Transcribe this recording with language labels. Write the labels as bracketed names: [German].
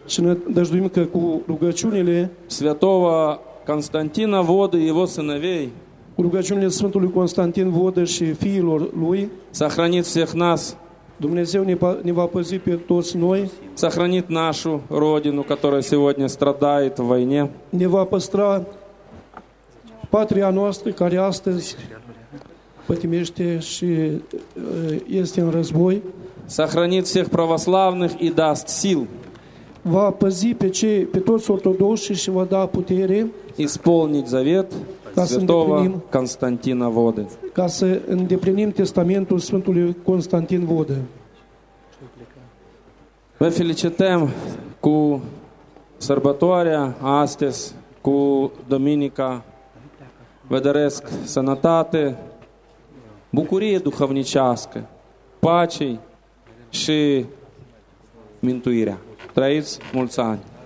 [Romanian] și ne dăjduim că cu rugăciunile [Russian] святого Константина Воды и его сыновей [Romanian] cu rugăciunile Sfântului Constantin Vodă și fiilor lui [Russian] сохранит всех нас. [Romanian] Dumnezeu ne va păzi pe toți noi. [Russian] Сохранит нашу родину, которая сегодня страдает в войне. [Romanian] Ne va păstra patria noastră, care astăzi pătimește și este în război. [Russian] Сохранит всех православных и даст сил. [Romanian] Va păzi pe toți ортодоксы și va da putere. [Russian] Исполнить завет святого Константина Воды. [Romanian] Ca să îndeplinim testamentul Sfântului Constantin Vodă. Vă felicităm cu sărbătoarea astăzi, cu duminica. Vă doresc sănătate, bucurie duhovnicească, pace și mântuirea. Trăiți mulți ani!